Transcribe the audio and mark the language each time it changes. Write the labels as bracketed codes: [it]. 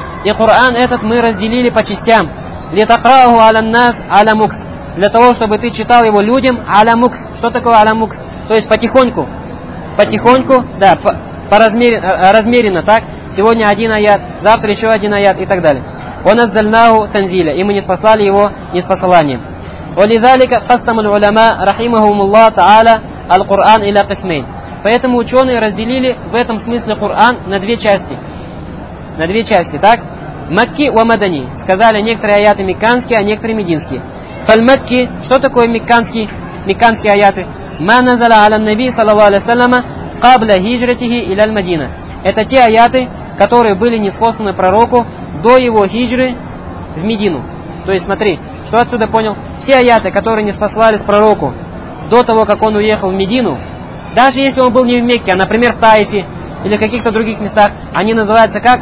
[ru] И Кур'ан этот мы разделили по частям. «Литакрауху аляннас алямукс». Для того, чтобы ты читал его людям алямукс. Что такое алямукс? То есть потихоньку. Потихоньку, да, размеренно, так? Сегодня один аят, завтра еще один аят и так далее. «Он аззальнаху танзиля». И мы ниспослали его ниспосыланием. [ar] ولذلك قسم العلماء رحمهم الله تعالى القرآن إلى قسمين. [ru] Поэтому ученые разделили в этом смысле Коран на две части. На две части, так? Макки и Мадани. Сказали некоторые аяты мекканские, а некоторые мединские. [ar] فالمكي. [ru] Что такое мекканские? Мекканские аяты. [ar] ما نزل على النبي صلى الله عليه وسلم قبل هجرته إلى المدينة. [ru] Это те аяты, которые были ниспосланы пророку до его хиджры в Медину. То есть смотри. Что отсюда понял? Все аяты, которые ниспослались пророку до того, как он уехал в Медину, даже если он был не в Мекке, а, например, в Таифе или в каких-то других местах, они называются как?